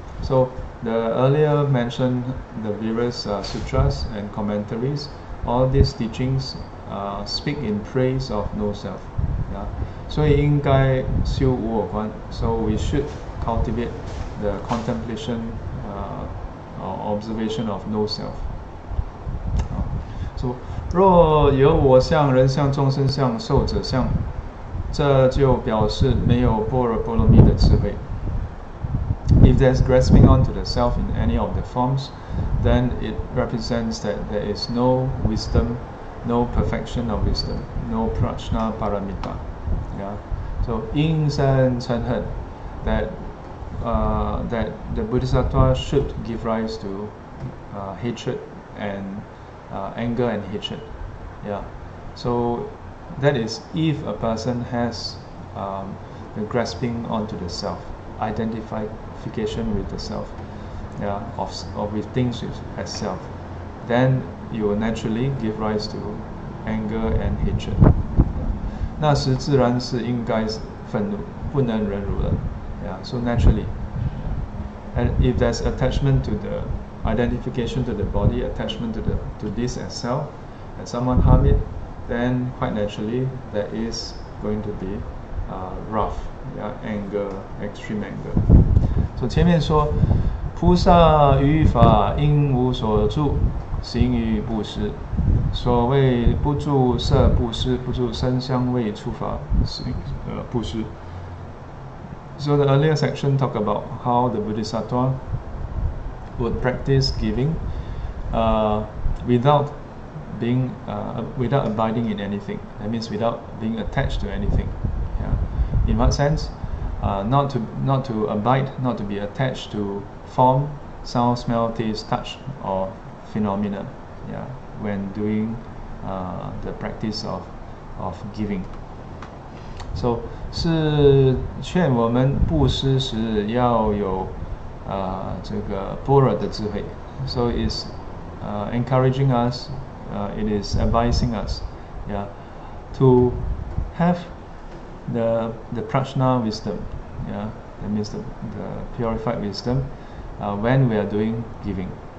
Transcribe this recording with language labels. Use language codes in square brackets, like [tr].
[en] So, the earlier mentioned the various sutras and commentaries, all these teachingsspeak in praise of no self. [zh] So, yeah. 应该修无我观. [en] So, we should cultivate the contemplation or observation of no self. [zh] So, 若有我相、人相、众生相、寿者相，这就表示没有般若波罗蜜的智慧. [en] If there's grasping onto the self in any of the forms, then it represents that there is no wisdom. No perfection of wisdom, no prajna paramita. Yeah. So, [zh] 因善成恨, [en] that the bodhisattva should give rise to hatred and anger and hatred. Yeah. So, that is if a person has the grasping onto the self, identification with the self, yeah, of with things as self, then you will naturally give rise to. Anger and hatred. [zh] 那时自然是应该愤怒，不能忍辱了。 [en] Yeah, so naturally. And if there's attachment to the identification to the body, attachment to this as self, and someone harm it, then quite naturally there is going to be wrath, yeah, anger, extreme anger. [zh] So 前面说，菩萨于法应无所住，行于布施。所谓不住色布施，不住声香味触法行布施。 [en] So the earlier section talk about how the Bodhisattva would practice giving, without abiding in anything. That means without being attached to anything. Yeah. In what sense? Not to abide, not to be attached to form, sound, smell, taste, touch, or phenomena. Yeah. When doing the practice of giving. [zh] So, 是劝我们布施时要有这个般若的智慧. [en] So, it's encouraging us, it is advising us, yeah, to have the prajna wisdom, yeah, that means the purified wisdom, when we are doing giving.